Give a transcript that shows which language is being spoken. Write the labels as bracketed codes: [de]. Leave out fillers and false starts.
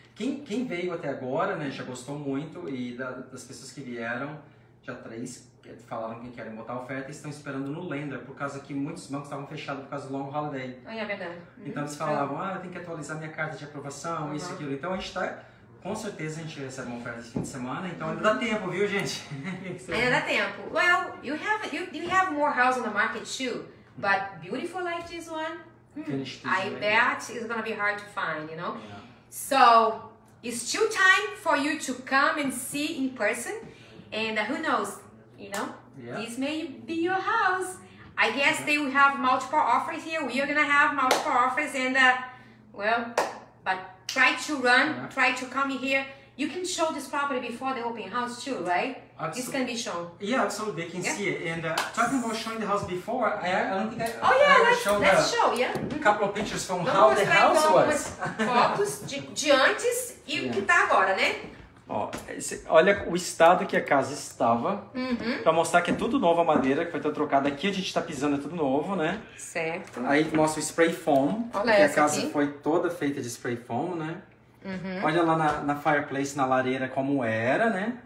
[pt] Quem veio até agora, né, já gostou muito e das pessoas que vieram, já três falaram que querem botar oferta e estão esperando no lender, por causa que muitos bancos estavam fechados por causa do [en] long holiday. [pt] É verdade. Então eles falavam, eu tenho que atualizar minha carta de aprovação, isso e aquilo. Então a gente está, com certeza a gente recebe uma oferta esse fim de semana, então ainda dá tempo, viu gente? Ainda dá tempo. [en] Well, you have more houses on the market too, but beautiful like this one, I bet it's gonna be hard to find, you know? Yeah. So, it's still time for you to come and see in person, and who knows, you know, this may be your house. I guess they will have multiple offers here. We are gonna have multiple offers and but try to run, try to come here. You can show this property before the open house too, right? Absolutely. This can be shown. Yeah, absolutely, they can see it. And talking about showing the house before, I don't think oh yeah, I let's show, yeah. A couple of pictures from how the house was. [pt] Fotos de antes e o que tá agora, né? Olha o estado que a casa estava, pra mostrar que é tudo novo a madeira, que foi toda trocada. Aqui a gente tá pisando, é tudo novo, né? Certo. Aí mostra o spray foam, olha que a casa aqui foi toda feita de spray foam, né? Uhum. Olha lá na fireplace, na lareira, como era, né?